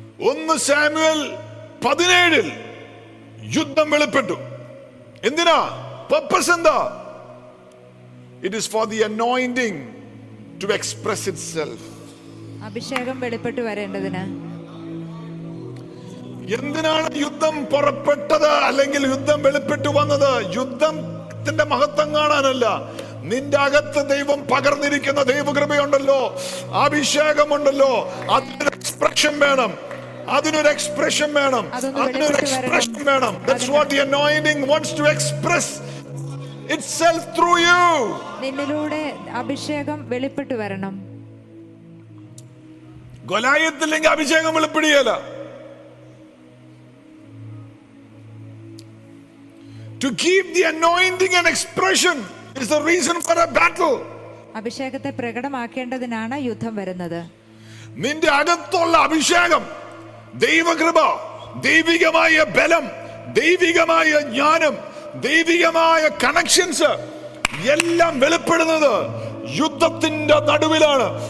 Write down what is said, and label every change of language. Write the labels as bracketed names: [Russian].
[Malayalam] Onnu Samuel 17il yuddham velippettu. Endina purpose enda? [English] It is for the anointing to express itself. [Malayalam] അഭിഷേകം വെളിപ്പെട്ട് വരേണ്ടതിന് എന്തിനാണ് യുദ്ധം പുറപ്പെട്ടത് അല്ലെങ്കിൽ യുദ്ധം വെളിപ്പെട്ട് വന്നത്? യുദ്ധത്തിന്റെ മഹത്വം കാണാനല്ല, നിന്റെ അകത്ത് ദൈവം പകർന്നിരിക്കുന്ന ദൈവകൃപയുണ്ടല്ലോ, അഭിഷേകമുണ്ടല്ലോ, അതിനൊരു എക്സ്പ്രഷൻ വേണം. [English] That's what the anointing wants to express itself through you. [Malayalam] നിന്നിലൂടെ അഭിഷേകം വെളിപ്പെട്ട് വരണം. ഗൊലായത്തില്ലെങ്കിൽ അഭിഷേകം വെളിപ്പെടുകയല്ല. [English] To keep the anointing and expression is the reason for a battle. [Malayalam] അഭിഷേകത്തെ പ്രകടമാക്കേണ്ടതിനാണ് യുദ്ധം വരുന്നത്. നിന്റെ അകത്തുള്ള അഭിഷേകം, ദൈവകൃപ, ദൈവികമായ ബലം, ദൈവികമായ ജ്ഞാനം, ദൈവികമായ കണക്ഷൻസ് എല്ലാം വെളിപ്പെടുന്നത് യുദ്ധത്തിന്റെ നടുവിലാണ്.